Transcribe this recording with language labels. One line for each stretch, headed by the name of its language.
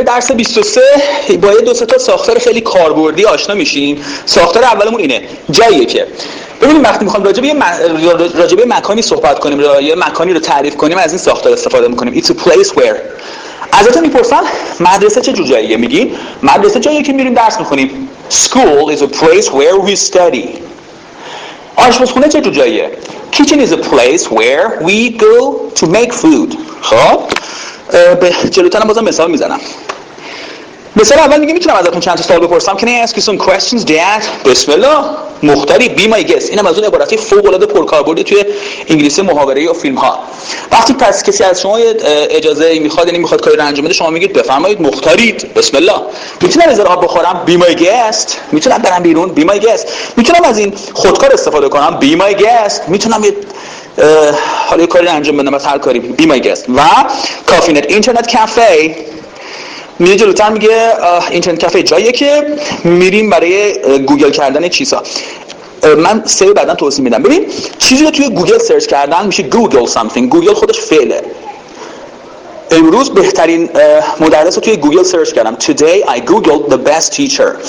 Persian: درس 23 با یه دو سه تا ساختار خیلی کاربردی آشنا میشیم. ساختار اولمون اینه، جاییه که ببینیم وقتی میخوام راجبه مکانی صحبت کنیم، یه مکانی رو تعریف کنیم، از این ساختار استفاده میکنیم.
English: It's a place where.
Persian: ازتون میپرسم مدرسه چه جاییه، میگین مدرسه جاییه که میریم درس میخونیم.
English: School is a place where we study.
Persian: آشپزخونه چه جاییه؟
English: Kitchen is a place where we go to make food.
Persian: خب به جلوتر هم بازم مثال میزنم. مثال اول میگه میتونم ازتون چند تا سوال بپرسم؟
English: Can I ask you some questions, Dad?
Persian: بسم الله مختاری،
English: be my guest.
Persian: اینم از اون عبارتی فوق العاده پرکاربردی توی انگلیسی محاوره یا فیلم ها. وقتی پس کسی از شما اجازه میخواد، یعنی میخواد کاری رو انجام بده، شما میگید بفرمایید مختارید، بسم الله. میتونم اجازه بخورم،
English: be my guest.
Persian: میتونم برم بیرون، be my guest. میتونم از این خودکار استفاده کنم،
English: be my guest.
Persian: میتونم حالا یه کاری انجام بدم، از هر کاری، be my guest. و کافی نت، اینترنت کافه. میره جلوتر میگه اینترنت کافه جاییه که میریم برای گوگل کردن چیزها. من سه بعدا توضیح میدم. ببین چیزی رو توی گوگل سرچ کردن میشه گوگل سامثینگ. گوگل خودش فعله. امروز بهترین مدرس رو توی گوگل سرچ کردم.
English: Today I googled the best teacher.